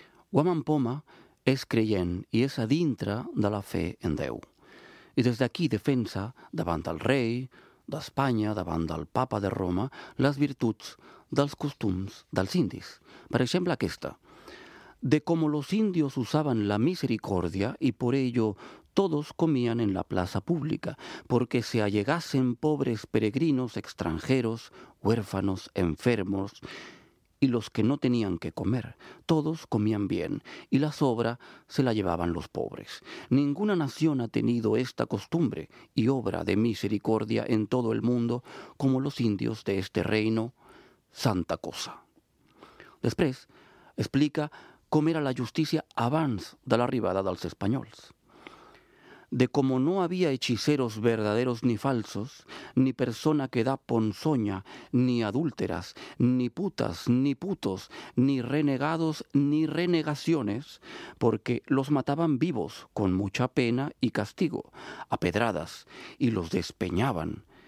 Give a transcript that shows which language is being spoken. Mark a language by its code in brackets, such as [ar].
[ca] Guaman Poma és creient i és a dintre de la fe en Déu. I des d'aquí defensa, davant del rei d'Espanya, davant del papa de Roma, les virtuts dels costums dels indis. Per exemple, aquesta. [es] De como los indios usaban la misericordia y por ello todos comían en la plaza pública, porque se allegasen pobres peregrinos extranjeros, huérfanos, enfermos, y los que no tenían que comer, todos comían bien, y la sobra se la llevaban los pobres. Ninguna nación ha tenido esta costumbre y obra de misericordia en todo el mundo como los indios de este reino, santa cosa. [ca] Després, explica com era la justícia abans de l'arribada dels espanyols. [es] De como no había hechiceros verdaderos ni falsos, ni persona que da ponzoña, ni adúlteras, ni putas, ni putos, ni renegados, ni renegaciones, porque los mataban vivos con mucha pena y castigo, a pedradas, y los despeñaban.